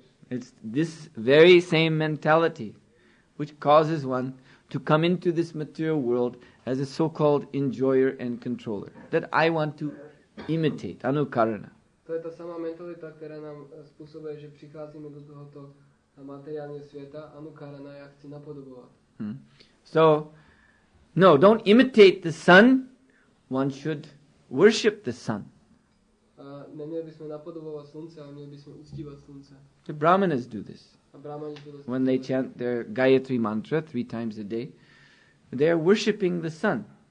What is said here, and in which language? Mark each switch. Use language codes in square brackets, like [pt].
[en] It's this very same mentality which causes one to come into this material world as a so-called enjoyer and controller, that I want to imitate, anukarana. [cs] To je ta sama mentalita, která nám způsobuje, že přicházíme do tohoto materiálního světa, anukarana, já chci napodobovat. [en] So, no, don't imitate the sun, one should worship the sun. [cs] Neměli bychom napodobovat slunce, ale měli bychom uctívat slunce. [en] The brahmanas do this. When they chant their Gayatri mantra 3 times a day, they are worshipping the sun.